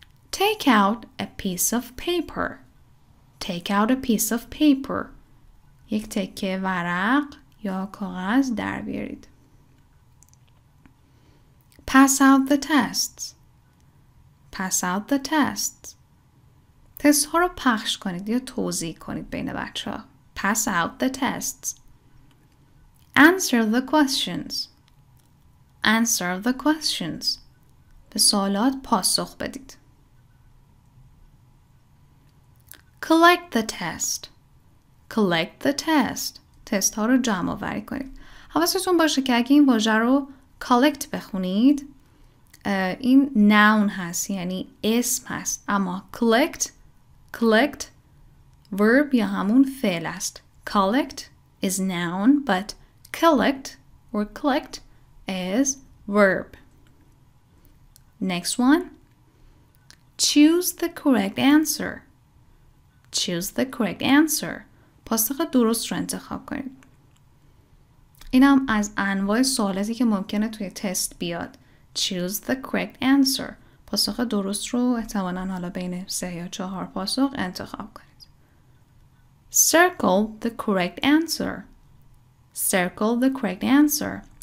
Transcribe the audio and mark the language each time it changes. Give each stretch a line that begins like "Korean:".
English: Take out a piece of paper. Take out a piece of paper.
Persian: یک تکه ورق یا کاغذ در بیارید.
English: Pass out the tests. Pass out the tests.
Persian: تست ها رو پخش کنید یا توضیح کنید بین بچه ها.
English: Pass out the tests. Answer the questions. Answer the questions.
Persian: به سوالات پاسخ بدید.
English: Collect the test. Collect the test.
Persian: تست ها رو جمع آوری کنید. حواستون باشه که اگه این واژه رو collect بخونید، این noun هست، یعنی اسم هست. اما collect، collect verb یا همون فعل است.
English: Collect is noun but collect or collect is verb. Next one. Choose the correct answer. Choose the correct answer.
Persian: پاسخ درست رو انتخاب کنید. اینم از انواع سوالاتی که ممکنه توی تست بیاد.
English: Choose the correct answer.
Persian: پاسخ درست رو احتمالاً حالا بین 3 یا 4 پاسخ انتخاب کنید.
English: Circle the correct answer. Circle the correct answer.